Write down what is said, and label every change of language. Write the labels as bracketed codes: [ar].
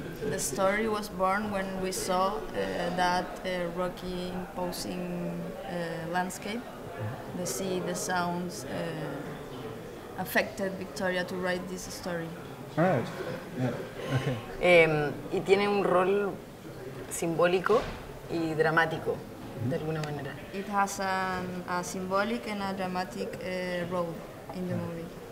[en] The story was born when we saw that rocky, imposing landscape. The sea, the sounds affected Victoria to write this story. All right. Yeah. Okay. [es] Y tiene un rol simbólico y dramático, de alguna manera. [en] It has a symbolic and a dramatic role in the movie.